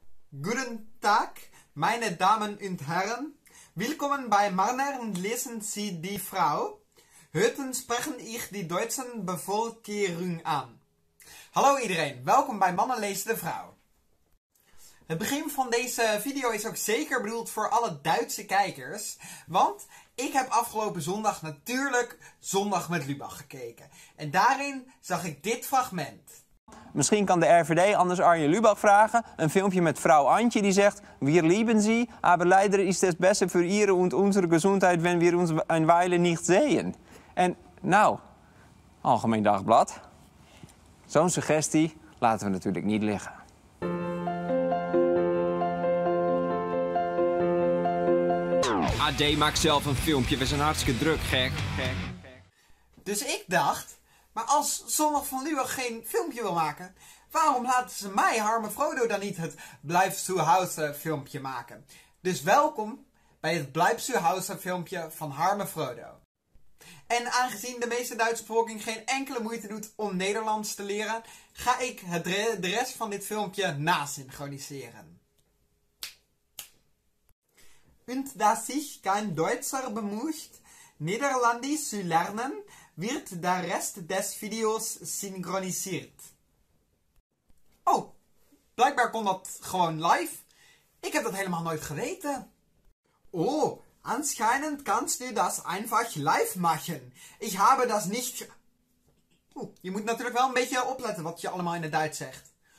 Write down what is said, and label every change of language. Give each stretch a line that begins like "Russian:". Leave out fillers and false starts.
German: Guten Tag, meine Damen und Herren. Willkommen bei Marner und lesen Sie die Frau. Heute spreche ich die deutsche Bevölkerung an.
Dutch: Hallo iedereen, welkom bij Mannen lezen de vrouw. Het begin van deze video is ook zeker bedoeld voor alle Duitse kijkers, want ik heb afgelopen zondag natuurlijk Zondag met Lubach gekeken. En daarin zag ik dit fragment. Misschien kan de RVD anders Arjen Lubach vragen. Een filmpje met vrouw Antje die zegt:
German: "Wir lieben Sie, aber leider ist es besser für Ihre und unsere Gesundheit, wenn wir uns ein Weile nicht sehen."
Dutch: En nou, Algemeen Dagblad. Zo'n suggestie laten we natuurlijk niet liggen. AD maakt zelf een filmpje. We zijn hartstikke druk, gek. Dus ik dacht: maar als Zondag van Lubach geen filmpje wil maken, waarom laten ze mij, Harme Frodo, dan niet het
German: Bleib zu Hause
Dutch: filmpje maken? Dus welkom bij het
German: Bleib zu Hause
Dutch: filmpje van Harme Frodo. En aangezien de meeste Duitse bevolking geen enkele moeite doet om Nederlands te leren, ga ik de rest van dit filmpje nasynchroniseren.
German: Und dass sich kein Deutscher bemüht, Nederlandisch zu lernen, wird der Rest des Videos synchronisiert.
Dutch: Oh, blijkbaar kon dat gewoon live. Ik heb dat helemaal nooit geweten.
German: Oh, anscheinend kannst du das einfach live machen. Ich habe das nicht...
Dutch: Oeh, je moet natuurlijk wel een beetje opletten wat je allemaal in het Duits zegt.